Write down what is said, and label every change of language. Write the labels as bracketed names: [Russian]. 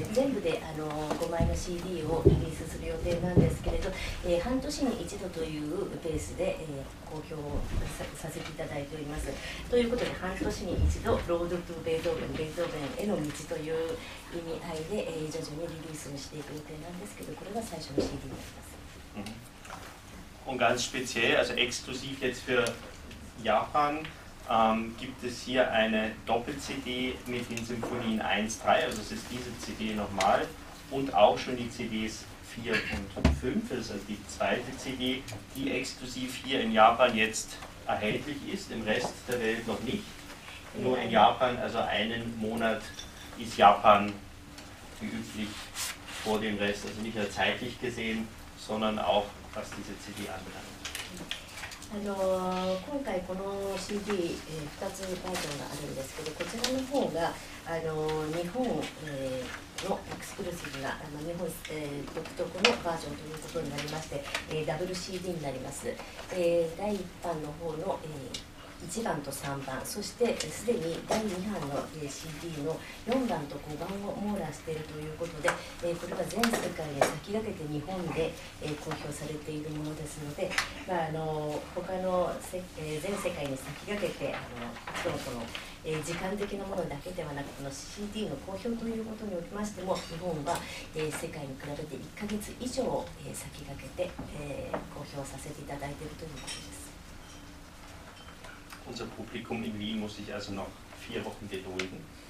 [Japanese] 全部で5枚の CD をリリースする予定なんですけれど、半年に一度というペースで、公表を させていただいております。ということで、半年に一度ロードトゥベートーベン、ベートーベンへの道という意味合いで、徐々にリリースをしていく予定なんですけど、これが最初の CD になります。 [German] Und ganz speziell, also exklusiv jetzt für Japan, gibt es hier eine Doppel-CD mit den Symphonien 1, 3, also es ist diese CD nochmal, und auch schon die CDs 4 und 5, also die zweite CD, die exklusiv hier in Japan jetzt erhältlich ist, im Rest der Welt noch nicht. Nur in Japan, also einen Monat ist Japan wie üblich vor dem Rest, also nicht nur zeitlich gesehen, sondern auch was diese CD anbelangt. [Japanese] 今回この CD2、つバージョンがあるんですけど、こちらの方が日本、のエクスクルーシブな日本、独特のバージョンということになりまして、ダブル CD になります。第1版の方の、1番と3番、そしてすでに第2版の、CD の4番と5番を網羅しているということで、これが全世界で先駆けて日本で、公表されているものですので、まあ、他の、全世界に先駆けて、この、時間的なものだけではなく、この CD の公表ということにおきましても、日本は、世界に比べて1ヶ月以上、先駆けて、公表させていただいているということです。 [German] Unser Publikum in Wien muss sich also noch 4 Wochen gedulden.